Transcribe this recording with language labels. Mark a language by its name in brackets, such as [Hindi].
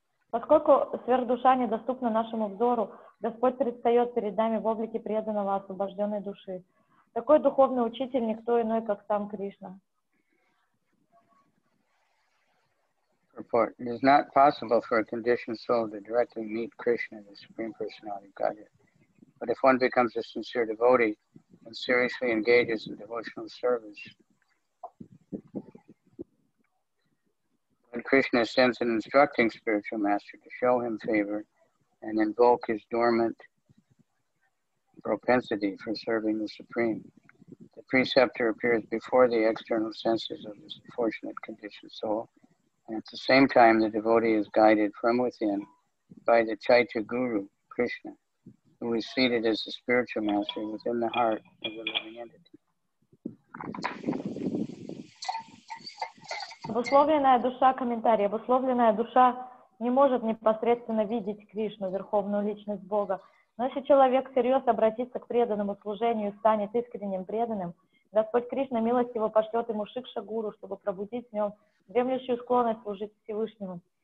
[Russian] Поскольку сверхдуша недоступна нашему взору, Господь предстает перед нами в облике преданного освобожденной души. Такой духовный учитель никто иной, как сам Кришна. [English] Report. It is not possible for a conditioned soul to directly meet Krishna, the Supreme Personality of Godhead. But if one becomes a sincere devotee and seriously engages in devotional service, when Krishna sends an instructing spiritual master to show him favor and invoke his dormant propensity for serving the Supreme, the preceptor appears before the external senses of this unfortunate conditioned soul. And at the same time, the devotee is guided from within by the Chaitya Guru, Krishna, who is seated as the spiritual master within the heart of the living entity. [Russian] Обусловленная душа, комментарий, обусловленная душа не может непосредственно видеть Кришну, верховную личность Бога. Но если человек всерьез обратится к преданному служению и станет искренним преданным, Господь Кришна милостиво пошлет ему Шикша-гуру, чтобы пробудить в нем дремлющую склонность служить Всевышнему.